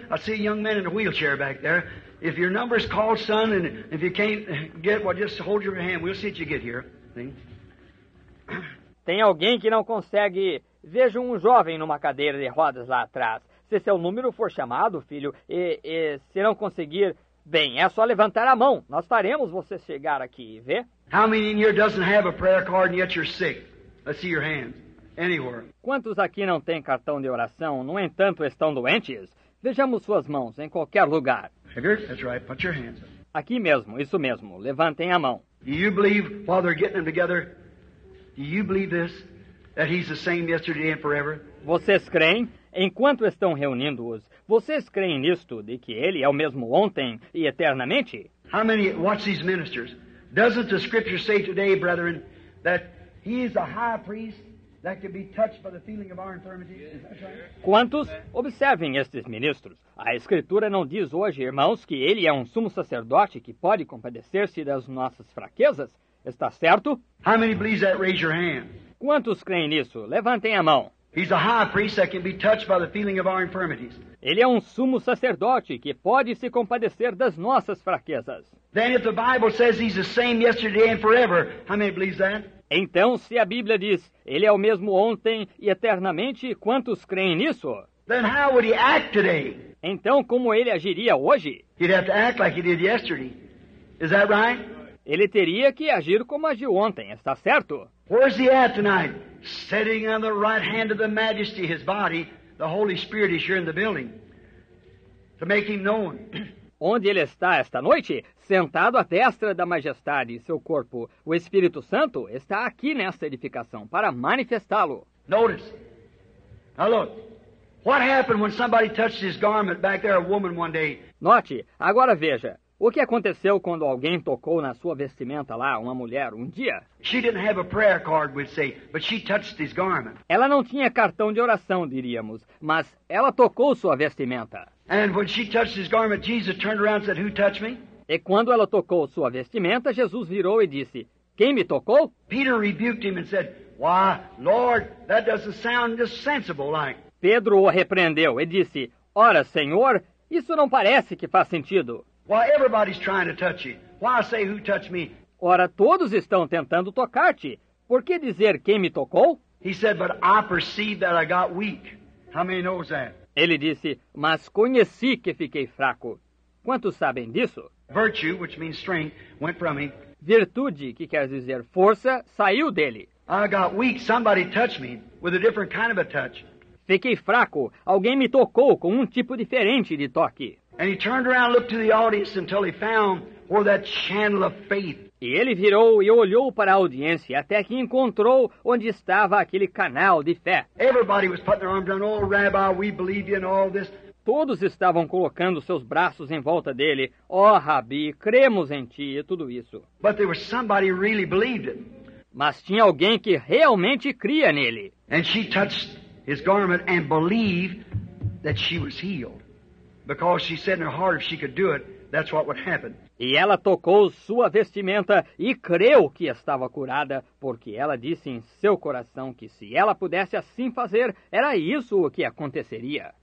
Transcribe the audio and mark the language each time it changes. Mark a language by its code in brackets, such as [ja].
[en] I see a young man in a wheelchair back there. If your number is called, son, and if you can't get, well, just hold your hand. We'll see if you get here. [pt] Tem alguém que não consegue? Veja um jovem numa cadeira de rodas lá atrás. Se seu número for chamado, filho, e se não conseguir, bem, é só levantar a mão. Nós faremos você chegar aqui e ver. [en] How many in here doesn't have a prayer card and yet you're sick? Let's see your hands. Anywhere. [pt] Quantos aqui não têm cartão de oração, no entanto estão doentes? Vejamos suas mãos em qualquer lugar. [en] That's right. Put your hands up. [pt] Aqui mesmo, isso mesmo. Levantem a mão. [en] Do you believe, Father, getting them together? Do you believe this, that he's the same yesterday and forever? [pt] Vocês creem? Enquanto estão reunindo-os, vocês creem nisto, de que ele é o mesmo ontem e eternamente? [en] How many, watch these ministers. Doesn't the scripture say today, brethren, that he is a high priest? That could be touched by the feeling of our infirmities. [pt] Quantos observem estes ministros? A Escritura não diz hoje, irmãos, que ele é um sumo sacerdote que pode compadecer-se das nossas fraquezas? Está certo? [en] How many believe that? Raise your hand. [pt] Quantos creem nisso? Levantem a mão. [en] He's a high priest that can be touched by the feeling of our infirmities. [pt] Ele é um sumo sacerdote que pode se compadecer das nossas fraquezas. [en] Then if the Bible says he's the same yesterday and forever, how many believe that? [pt] Então, se a Bíblia diz, ele é o mesmo ontem e eternamente, quantos creem nisso? [en] Then how would he act today? [pt] Então, como ele agiria hoje? [en] He'd have to act like he did yesterday. Is that right? [pt] Ele teria que agir como agiu ontem, está certo? [en] Where's he at tonight? Sitting on the right hand of the majesty, his body, the Holy Spirit is here in the building to make him known. [pt] Onde ele está esta noite? Sentado à destra da majestade, seu corpo, o Espírito Santo, está aqui nesta edificação para manifestá-lo. [en] Notice. Now look. What happened when somebody touched his garment back there, a woman one day? [pt] Note. Agora veja. O que aconteceu quando alguém tocou na sua vestimenta lá, uma mulher, um dia? [en] She didn't have a prayer card, we'd say, but she touched his garment. [pt] Ela não tinha cartão de oração, diríamos, mas ela tocou sua vestimenta. [en] And when she touched his garment, Jesus turned around and said, "Who touched me?" [pt] E quando ela tocou sua vestimenta, Jesus virou e disse, "Quem me tocou?" [en] Peter rebuked him and said, "Why, Lord, that doesn't sound just sensible like." [pt] Pedro o repreendeu e disse, "Ora, Senhor, isso não parece que faz sentido." [en] Why, everybody's trying to touch you. Why say who touched me? [pt] Ora, todos estão tentando tocar-te. Por que dizer quem me tocou? [en] He said, "But I perceived that I got weak." How many knows that? [pt] Ele disse, "Mas conheci que fiquei fraco." Quantos sabem disso? [en] Virtue, which means strength, went from him. [pt] Virtude, que quer dizer força, saiu dele. [en] I got weak. Somebody touched me with a different kind of a touch. [pt] Fiquei fraco. Alguém me tocou com um tipo diferente de toque. [en] And he turned around and looked to the audience until he found where that channel of faith. [pt] E ele virou e olhou para a audiência até que encontrou onde estava aquele canal de fé. [en] Everybody was putting their arms around, "Oh, Rabbi, we believe you in all this." [pt] Todos estavam colocando seus braços em volta dele. "Oh, Rabi, cremos em ti" e tudo isso. [en] But there was somebody who really believed it. [pt] Mas tinha alguém que realmente cria nele. [en] And she touched his garment and believed that she was healed. Because she said in her heart, if she could do it, that's what would happen. [pt] E ela tocou sua vestimenta e creu que estava curada, porque ela disse em seu coração que se ela pudesse assim fazer, era isso o que aconteceria.